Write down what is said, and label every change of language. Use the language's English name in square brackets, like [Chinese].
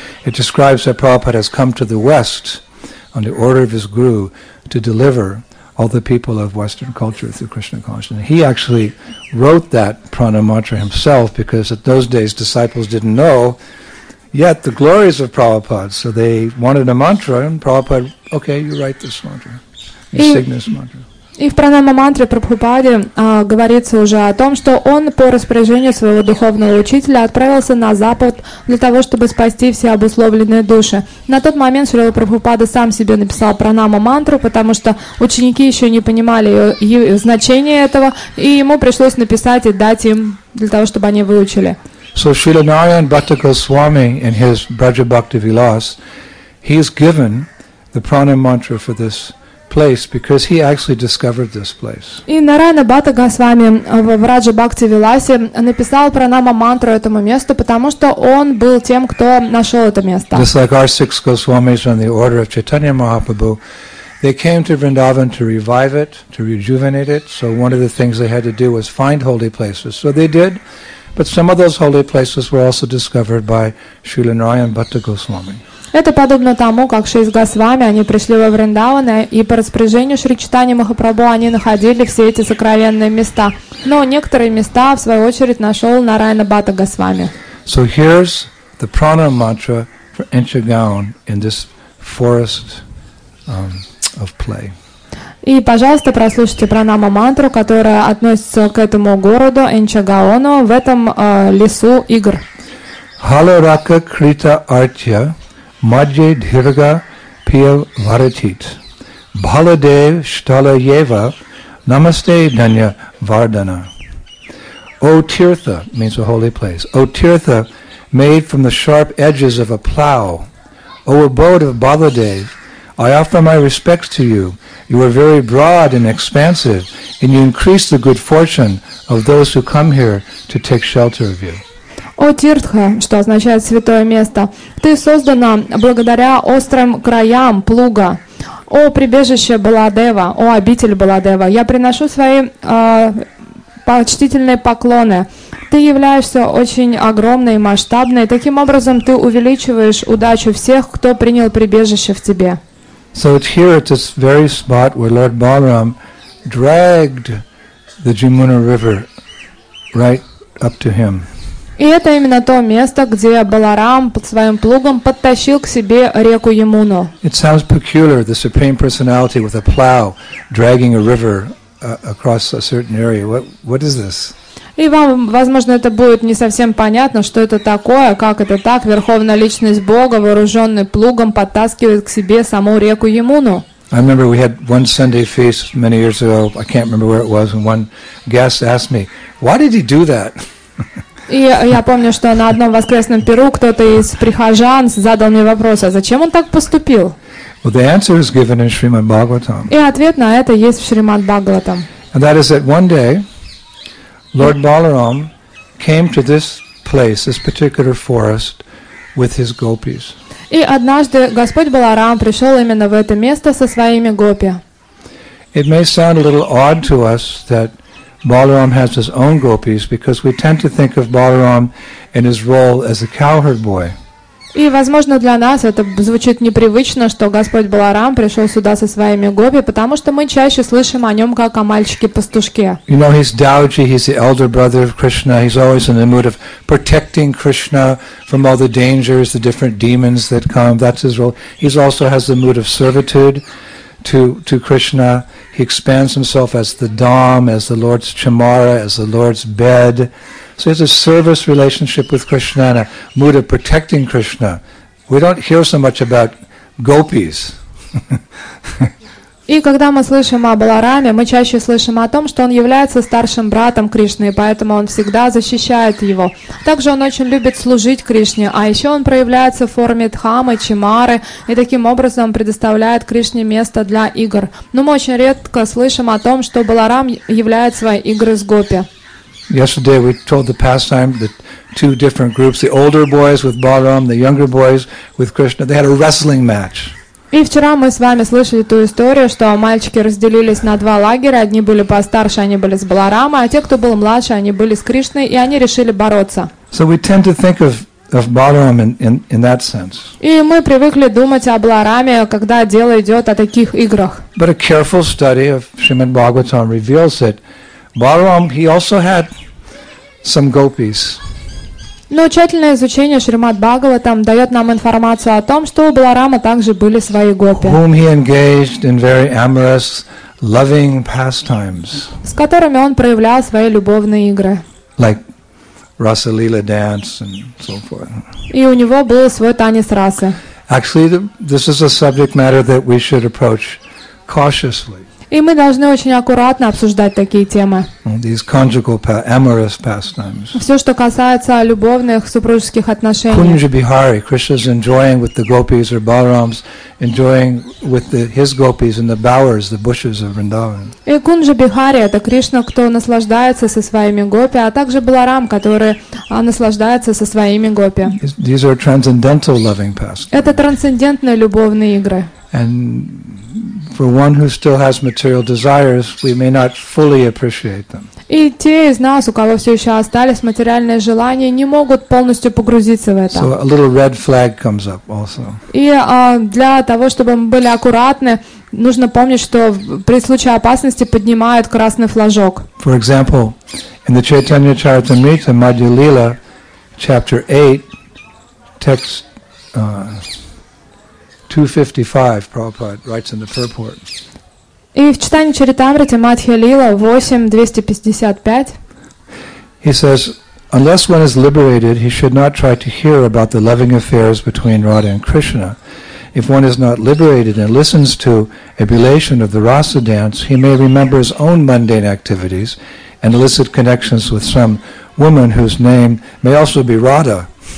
[English] It describes that Prabhupada has come to the West on the order of his Guru to deliver all the people of Western culture through Krishna consciousness. He actually wrote that pranam mantra himself because at those days disciples didn't know yet the glories of Prabhupada. So they wanted a mantra and Prabhupada, okay, you write this mantra, you sing this mantra. [Russian] И в пранама-мантре Прабхупаде говорится уже о том, что он по распоряжению своего духовного учителя отправился на запад для того, чтобы спасти все обусловленные души. На тот момент Шрила Прабхупада сам себе написал пранама-мантру, потому что ученики еще не понимали ее значения этого, и ему пришлось написать и дать им для того, чтобы они выучили. [English] So Srila Narayan Bhatta Goswami in his Braja Bhakti Vilas, he is given the pranama mantra for this place because he actually discovered this place. [Russian] И Нараяна Бхатта Госвами в Враджа Бхакти Виласе написал пранама мантру этому месту, потому что он был тем, кто нашел это место. [English] Just like our six Goswamis from the order of Chaitanya Mahaprabhu, they came to Vrindavan to revive it, to rejuvenate it. So one of the things they had to do was find holy places. So they did. But some of those holy places were also discovered by Srila Narayan Bhatta Goswami. [Russian] Это подобно тому, как шесть Госвами, они пришли во Вриндаван, и по распоряжению Шри Чайтаньи Махапрабху они находили все эти сокровенные места. Но некоторые места, в свою очередь, нашел Нараяна Бхатта Госвами. [English] So here's the prana mantra for Inchagaon in this forest of play. [Russian] И, пожалуйста, прослушайте пранама-мантру, которая относится к этому городу Инчагаону в этом лесу игр. [Sanskrit] Халарака крита артья мадже дхирга пья варатит Бхаладев штала ева намасте данья вардана. [English] O Tirtha means a holy place. O Tirtha made from the sharp edges of a plow. O abode of Bhaladev, I offer my respects to you. You are very broad and expansive, and you increase the good fortune of those who come here to take shelter of you. [Russian] О Тиртха, что означает святое место, ты создана благодаря острым краям плуга. О прибежище Баладева, о обитель Баладева, я приношу свои почтительные поклоны. Ты являешься очень огромной и масштабной, таким образом ты увеличиваешь удачу всех, кто принял прибежище в тебе. [English] So it's here at this very spot where Lord Balaram dragged the Jamuna River right up to him. [Russian] И это именно то место, где Баларам под своим плугом подтащил к себе реку Ямуну. [English] It sounds peculiar, the Supreme Personality with a plow dragging a river across a certain area. What is this? [Russian] И вам, возможно, это будет не совсем понятно, что это такое, как это так, Верховная Личность Бога, вооруженный плугом, подтаскивает к себе саму реку Ямуну. [English] I remember we had one Sunday feast many years ago, I can't remember where it was, and one guest asked me, why did he do that? [Russian] И я помню, что на одном воскресном перу кто-то из прихожан задал мне вопрос, а зачем он так поступил? [English] Well, the answer is given in Shrimad Bhagavatam. [Russian] И ответ на это есть в Шримад Бхагаватам. [English] And that is that one day, Lord Balaram came to this place, this particular forest, with his gopis. [Russian] И однажды Господь Баларам пришел именно в это место со своими гопи. [English] It may sound a little odd to us that Balaram has his own gopis, because we tend to think of Balaram in his role as a cowherd boy. [Russian] И, возможно, для нас это звучит непривычно, что Господь Баларам пришел сюда со своими гопи, потому что мы чаще слышим о нем как о мальчике-пастушке. [English] You know, he's Dauji, he's the elder brother of Krishna, he's always in the mood of protecting Krishna from all the dangers, the different demons that come, that's his role. He also has the mood of servitude to Krishna. He expands himself as the Dham, as the Lord's Chamara, as the Lord's bed. So it's a service relationship with Krishna and a mood of protecting Krishna. We don't hear so much about gopis. [Russian] И когда мы слышим о Балараме, мы чаще слышим о том, что он является старшим братом Кришны, и поэтому он всегда защищает его. Также он очень любит служить Кришне, а еще он проявляется в форме дхамы, чимары, и таким образом предоставляет Кришне место для игр. Но мы очень редко слышим о том, что Баларам является своей игрой с гопи. [English] Yesterday we told the pastime that two different groups, the older boys with Balaram, the younger boys with Krishna, they had a wrestling match. [Russian] И вчера мы с вами слышали ту историю, что мальчики разделились на два лагеря, одни были постарше, они были с Баларамой, а те, кто был младше, они были с Кришной, и они решили бороться. [English] So we tend to think of Balaram in that sense. [Russian] И мы привыкли думать о Балараме, когда дело идет о таких играх. [English] But a careful study of Srimad Bhagavatam reveals that Balaram, he also had some gopis. [Russian] Но тщательное изучение Шримад Бхагаватам дает нам информацию о том, что у Баларама также были свои гопи. [English] Whom he engaged in very amorous loving pastimes. [Russian] С которыми он проявлял свои любовные игры. [English] Like Rasa Leela dance and so forth. [Russian] И у него был свой танец расы. [English] Actually, this is a subject matter that we should approach cautiously. [Russian] И мы должны очень аккуратно обсуждать такие темы. [English] These conjugal amorous pastimes. [Russian] Все, что касается любовных супружеских отношений. [English] Кунджабихари, Krishna's enjoying with the gopis or Balarams, enjoying with his gopis in the bowers, the bushes of Vrindavan. [Russian] И Кунджабихари — это Кришна, кто наслаждается со своими гопи, а также Баларам, который наслаждается со своими гопи. [English] These are transcendental loving pastimes. [Russian] Это трансцендентные любовные игры. [English] And for one who still has material desires, we may not fully appreciate them. [Russian] И те из нас, у кого все еще остались материальные желания, не могут полностью погрузиться в это. [English] So a little red flag comes up also. [Russian] И для того, чтобы мы были аккуратны, нужно помнить, что при случае опасности поднимают красный флажок. [English] For example, in the Chaitanya Charitamrita, Madhya Lila, chapter 8, text 255, Prabhupada writes in the purport. [Russian] И в читании Чаритамриты Мадхья Лила 8.255. [English] He says, unless one is liberated, he should not try to hear about the loving affairs between Radha and Krishna. If one is not liberated and listens to a relation of the Rasa dance, he may remember his own mundane activities and illicit connections with some woman whose name may also be Radha.